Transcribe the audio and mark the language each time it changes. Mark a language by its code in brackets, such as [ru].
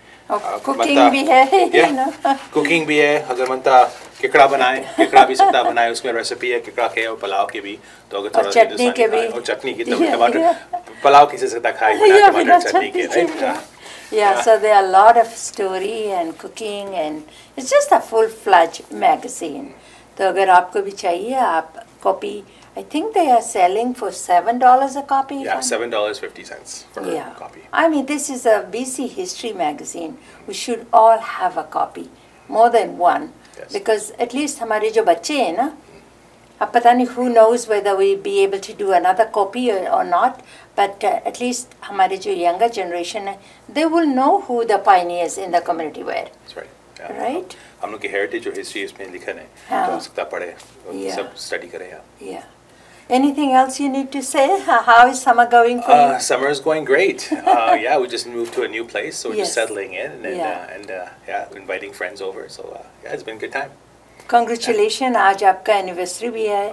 [hi] Cooking भी है, हजरमंता केकड़ा बनाए, केकड़ा भी सदा बनाए, उसमें रेसिपी है केकड़ा के और पुलाव के भी, तो अगर थोड़ा चटनी के भी और चटनी की तो टमाटर पुलाव किसे सदा खाए टमाटर चटनी के [en] Yeah, so there are a lot of story and cooking and it's just a full-fledged magazine. So if you want to buy a copy, I think they are selling for $7 a copy. Yeah, $7.50 for a copy. I mean, this is a BC history magazine. We should all have a copy, more than one. Yes. Because at least our children, who knows whether we'll be able to do another copy or not. But at least our younger generation, they will know who the pioneers in the community were. That's right. Yeah. Right? [hi] हम लोग के heritage और history इसमें लिखा है, तो हो सकता पढ़े, सब स्टडी करें आप. [en] Yeah. Anything else you need to say? How is summer going for you? Summer is going great. yeah, we just moved to a new place, so we're just settling in and inviting friends over. So yeah, it's been a good time. [hi] Congratulations, आज आपका anniversary भी है.